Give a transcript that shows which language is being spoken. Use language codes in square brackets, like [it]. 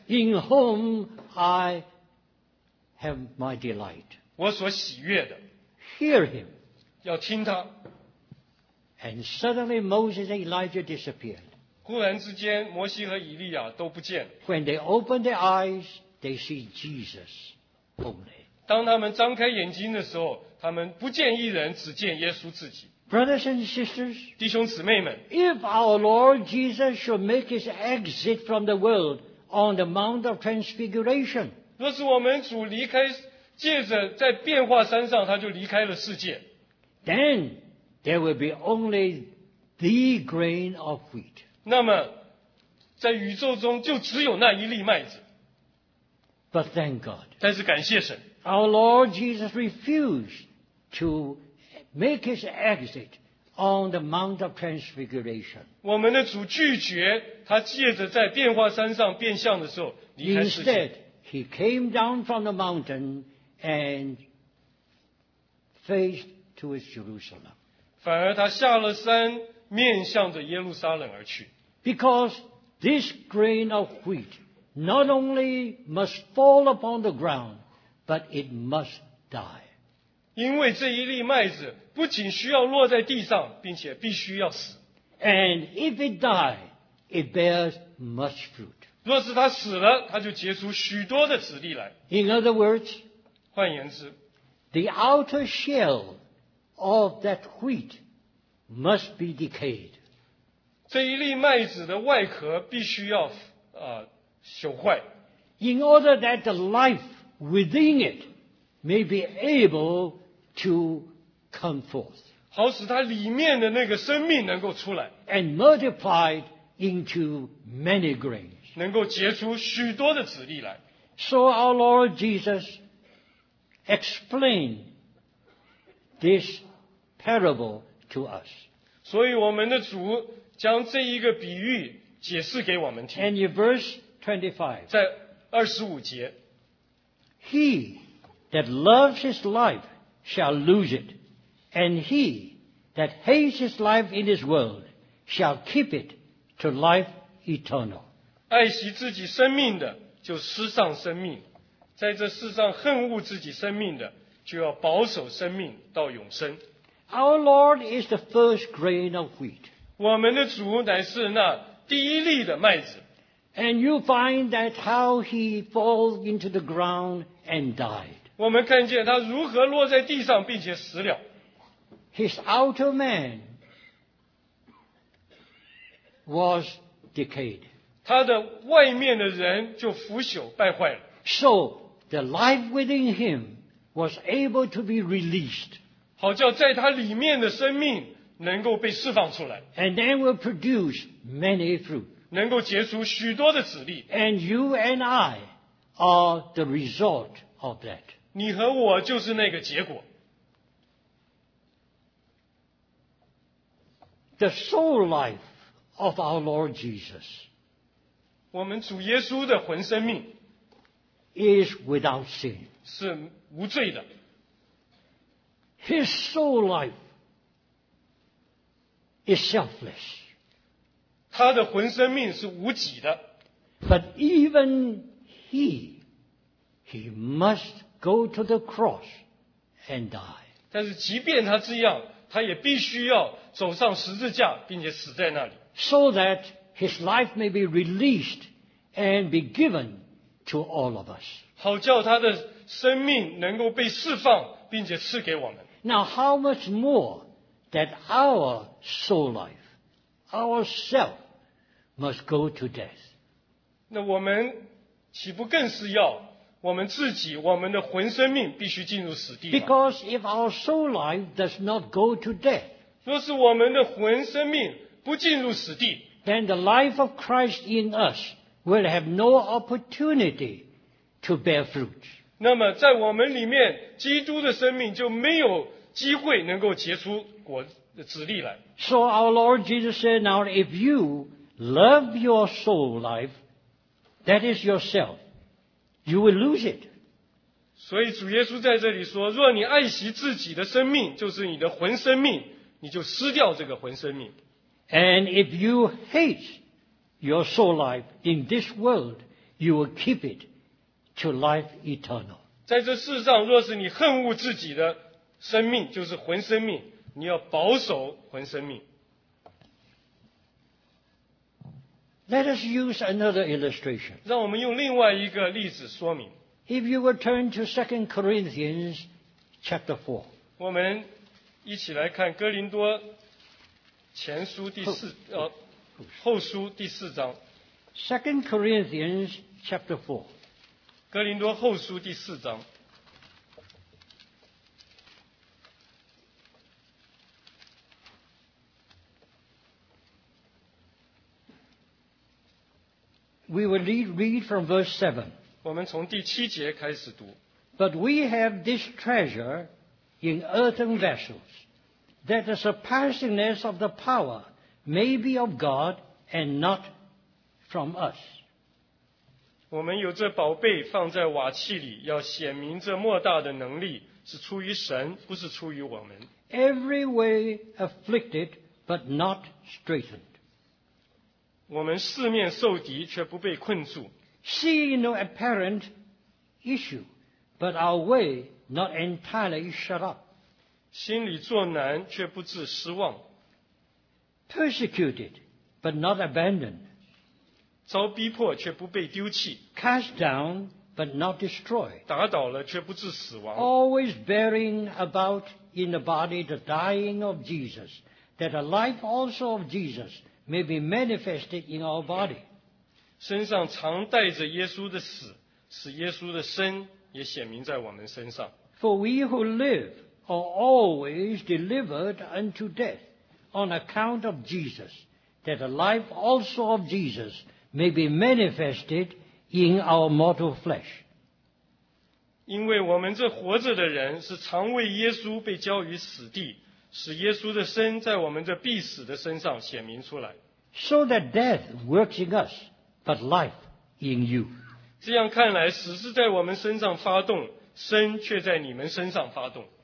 [en] In whom I have my delight. [zh] 我所喜悦的。 [en] Hear him. [zh] 要听他。 [en] And suddenly Moses and Elijah disappeared. [zh] 忽然之间，摩西和以利亚都不见了。 [en] When they opened their eyes, they see Jesus only. [zh] 当他们张开眼睛的时候，他们不见一人，只见耶稣自己。 [en] Brothers and sisters, [zh] 弟兄姊妹们 [en] if our Lord Jesus should make his exit from the world on the Mount of Transfiguration, [zh] 若是我们主离开，借着在变化山上，他就离开了世界。 [en] Then there will be only the grain of wheat. [zh] 那么，在宇宙中就只有那一粒麦子。 [en] But thank God. [zh] 但是感谢神。 [en] Our Lord Jesus refused to make his exit on the Mount of Transfiguration. [zh] 我们的主拒绝他借着在变化山上变相的时候离开世界。 [en] Instead, he came down from the mountain and faced towards Jerusalem. [zh] 反而他下了山，面向着耶路撒冷而去。 [en] Because this grain of wheat not only must fall upon the ground, but it must die. [zh] 因为这一粒麦子不仅需要落在地上，并且必须要死。 [en] And if it die, it bears much fruit. [zh] 若是它死了，它就结出许多的籽粒来。 [en] In other words, [zh] 换言之 [en] the outer shell of that wheat must be decayed. [zh] 这一粒麦子的外壳必须要朽坏。 [en] In order that the life within it may be able to come forth. [zh] 好使它里面的那个生命能够出来。 [en] And multiplied into many grains. [zh] 能够结出许多的籽粒来。 [en] So our Lord Jesus explained this parable to us. [zh] 所以我们的主将这一个比喻解释给我们听。 [en] And in verse 25, [zh] 在25节 [en] He that loves his life shall lose it, and he that hates his life in this world shall keep it to life eternal. [zh] 爱惜自己生命的就失丧生命，在这世上恨恶自己生命的就要保守生命到永生。 [en] Our Lord is the first grain of wheat. [zh] 我们的主乃是那第一粒的麦子。 [en] And you find that how he falls into the ground and died. [zh] 我们看见他如何落在地上并且死了。 [en] His outer man was decayed. [zh] 他的外面的人就腐朽败坏了。 [en] So the life within him was able to be released. [zh] 好叫在他里面的生命能够被释放出来。 [en] And then will produce many fruit. [zh] 能够结出许多的籽粒。 [en] And you and I are the result of that. [zh] 你和我就是那个结果。 [en] The soul life of our Lord Jesus. [zh] 我们主耶稣的魂生命。 [en] Is without sin. [zh] 是无罪的。 [en] His soul life is selfless. [zh] 他的魂生命是无己的。 [en] But even he must go to the cross and die. [zh] 但是即便他这样，他也必须要走上十字架，并且死在那里。 [en] So that his life may be released and be given to all of us. [zh] 好叫他的生命能够被释放，并且赐给我们。 [en] Now, how much more that our soul life, our self, must go to death? [zh] 那我们岂不更是要我们自己我们的魂生命必须进入死地。 [en] Because if our soul life does not go to death, [zh] 若是我们的魂生命不进入死地， [en] then the life of Christ in us will have no opportunity to bear fruit. [zh] 那么在我们里面基督的生命就没有机会能够结出果子粒来。 [en] So our Lord Jesus said, now if you love your soul life, that is yourself,You will lose it. [zh] 所以主耶稣在这里说，若你爱惜自己的生命，就是你的魂生命，你就失掉这个魂生命。 [en] And if you hate your soul life in this world, you will keep it to life eternal. [zh] 在这世上，若是你恨恶自己的生命，就是魂生命，你要保守魂生命。 [en] Let us use another illustration. [zh] 让我们用另外一个例子说明。 [en] If you will turn to 2 Corinthians chapter 4. [zh] 我们一起来看哥林多前书第四后书第四章。 [en] 2 Corinthians chapter 4. [zh] 哥林多后书第四章。 [en] We will read from verse 7. [zh] 我们从第七节开始读。 [en] But we have this treasure in earthen vessels, that the surpassingness of the power may be of God and not from us. [zh] 我们有这宝贝放在瓦器里，要显明这莫大的能力是出于神，不是出于我们。 [en] Every way afflicted, but not straitened. [zh] 我们四面受敌却不被困住。 [en] Seeing no apparent issue, but our way not entirely shut up. [zh] 心里作难却不致失望。 [en] Persecuted, but not abandoned. [zh] 遭逼迫却不被丢弃。 [en] Cast down, but not destroyed. [zh] 打倒了却不致死亡。 [en] Always bearing about in the body the dying of Jesus, that the life also of Jesus,may be manifested in our body. [zh] 身上常带着耶稣的死，使耶稣的生也显明在我们身上。 [en] For we who live are always delivered unto death on account of Jesus, that the life also of Jesus may be manifested in our mortal flesh. [zh] 因为我们这活着的人是常为耶稣被交于死地，使耶稣的身在我们这必死的身上显明出来。 [en] So that death works in us, but life in you. [zh] 这样看来，死是在我们身上发动，生却在你们身上发动。